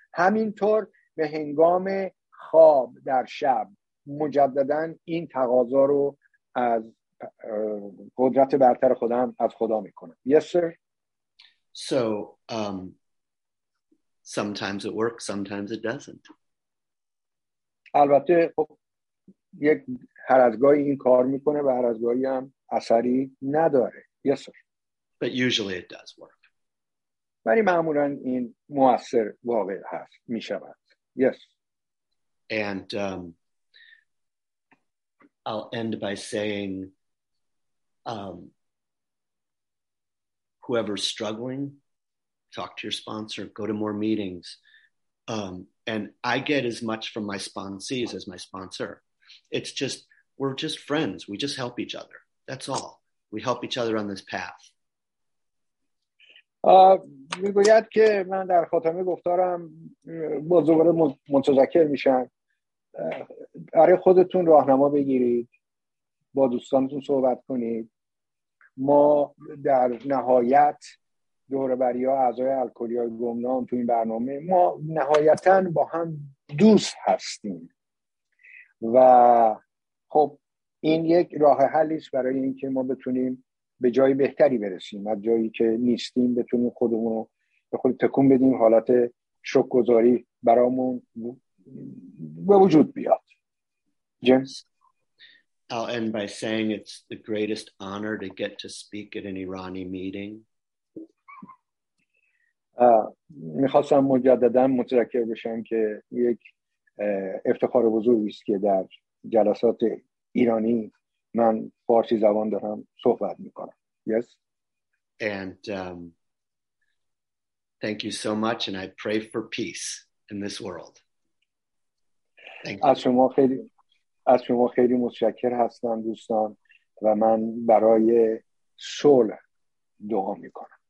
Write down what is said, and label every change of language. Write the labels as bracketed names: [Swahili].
[Persian] همینطور به هنگام خواب در شب مجدداً این تقاضا رو از قدرت برتر خودم از خدا میکنم. [English] Yes, sir. So sometimes it works, sometimes it doesn't. [Persian] البته خب یک هر از گاهی این کار میکنه و هر از گاهی هم اثری نداره. [English] Yes, sir. But usually it does work. [Persian] ولی معمولاً این مؤثر واقع هست میشود. [English] Yes. And I'll end by saying, whoever's struggling, talk to your sponsor, go to more meetings. And I get as much from my sponsees as my sponsor. It's just, we're just friends. We just help each other. That's all. We help each other on this path. [Persian] میگوید که من در خاتمه گفتارم بزرگ متذکر میشم. برای خودتون راهنما بگیرید، با دوستانتون صحبت کنید. ما در نهایت دوربری ها اعضای الکلی های گمنام تو این برنامه، ما نهایتا با هم دوست هستیم و خب این یک راه حلیست برای اینکه ما بتونیم به جای بهتری برسیم، از جایی که نیستیم بتونیم خودمونو به خود تکون بدیم، حالت شکرگزاری برامون به وجود بیاد. جیمز؟ [English] I'll end by saying it's the greatest honor to get to speak at an Irani meeting. [Persian] میخواستم مجدداً متذکر بشم که یک افتخار بزرگی است که در جلسات ایرانی من فارسی زبان دارم صحبت میکنم. [English] Yes. And thank you so much, and I pray for peace in this world. Thank you. [Persian] از شما خیلی متشکر هستم دوستان و من برای صلح دعا می کنم.